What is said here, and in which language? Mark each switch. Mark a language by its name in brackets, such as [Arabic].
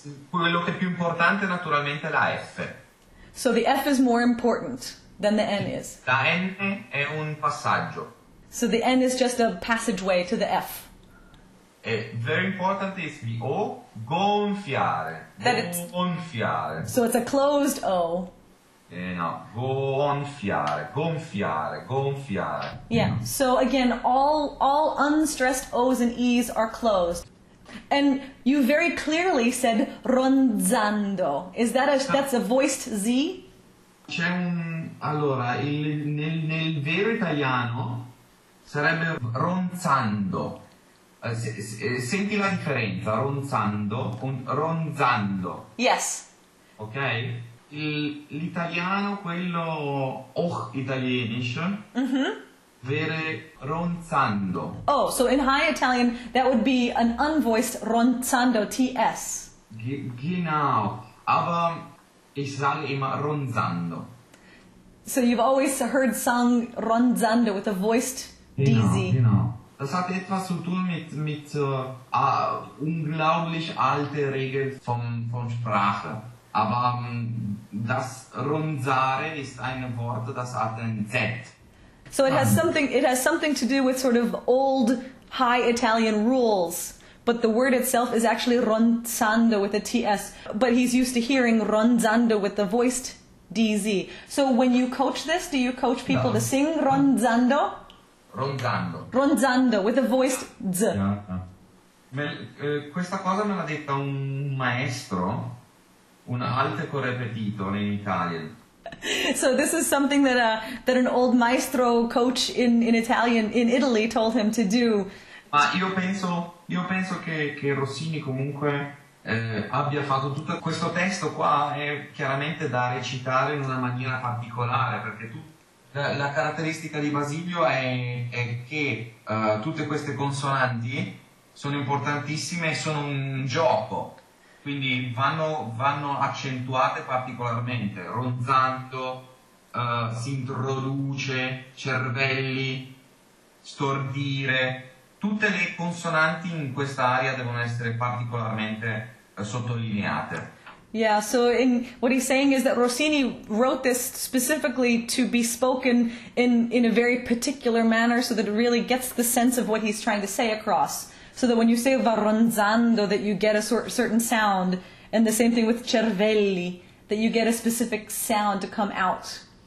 [Italian] Quello che è più importante naturalmente è la F. [English] So the F is more important than the N is. [Italian] La N è un passaggio. [English] So the N is just a passageway to the F. Very important is the O, gonfiare. [Italian] Gonfiare. [English] So it's a closed O. [Italian] No, gonfiare, gonfiare, gonfiare. [English] Yeah, so again, all unstressed O's and E's are closed. And you very clearly said ronzando. Is that that's a voiced Z? [Italian] C'è un... Allora, nel vero italiano sarebbe ronzando. Senti la differenza, ronzando, ronzando. [English] Yes. [Italian] Ok? L'italiano, quello italienisch, vere ronzando. [English] Oh, so in high Italian that would be an unvoiced ronzando, TS. [German] Genau, aber ich sage immer ronzando. [English] So you've always heard sung ronzando with a voiced DZ. [German] Genau. Das hat etwas zu tun mit unglaublich alte Regeln von Sprache. Aber das ronzare ist ein Wort, das hat ein Z. [English] So it has something to do with sort of old high Italian rules. But the word itself is actually ronzando with a TS. But he's used to hearing ronzando with the voiced DZ. So when you coach this, do you coach people to sing ronzando? Ronzando. Ronzando, with a voiced Z. Yeah. [Italian] Questa cosa me l'ha detta un maestro, un alto correpetitore in Italia. [English] So this is something that that an old maestro coach in Italian, in Italy, told him to do. [Italian] Ma io penso che Rossini comunque abbia fatto tutto questo testo qua, è chiaramente da recitare in una maniera particolare, perché tu la caratteristica di Basilio è che tutte queste consonanti sono importantissime e sono un gioco, quindi vanno accentuate particolarmente, ronzando, si introduce, cervelli, stordire, tutte le consonanti in questa area devono essere particolarmente sottolineate. [English] Yeah, so in what he's saying is that Rossini wrote this specifically to be spoken in a very particular manner so that it really gets the sense of what he's trying to say across. So that when you say va ronzando that you get a certain sound, and the same thing with cervelli, that you get a specific sound to come out.